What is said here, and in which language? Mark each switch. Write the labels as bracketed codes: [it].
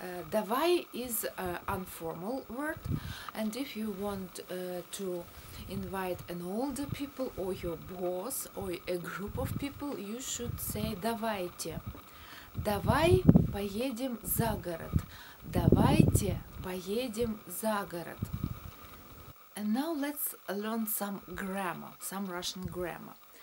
[en] Давай is an informal word, and if you want to invite an older people or your boss or a group of people, you should say давайте. [ru] Давай поедем за город. Давайте поедем за город. [en] And now let's learn some grammar, some Russian grammar.